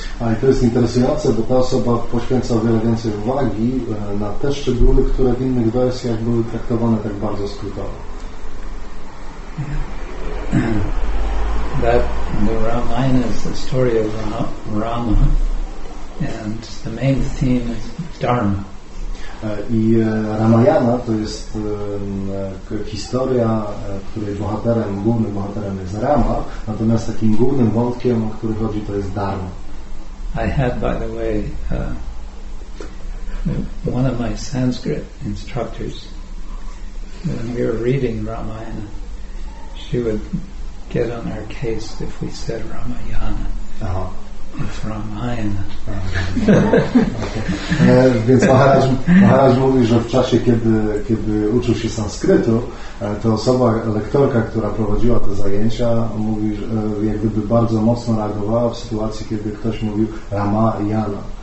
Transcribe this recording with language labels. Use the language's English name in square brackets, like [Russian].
[Polish] A to jest interesujące, bo ta osoba poświęca wiele więcej uwagi na te szczegóły, które w innych wersjach były traktowane tak bardzo skrótowo. [English] That the Ramayana is the story of Rama, and the main theme is Dharma. [Polish] I Ramayana to jest historia, której bohaterem, głównym bohaterem jest Rama, natomiast takim głównym wątkiem, o który chodzi, to jest Dharma. [English] I had, by the way, one of my Sanskrit instructors, when we were reading Ramayana, she would get on our case if we said Ramayana. It's Ramayana. [Polish] Więc Maharaj mówi, że w czasie, kiedy uczył się sanskrytu, to osoba, lektorka, która prowadziła te zajęcia, mówi, że jakby bardzo mocno reagowała w sytuacji, kiedy ktoś mówił Ramayana.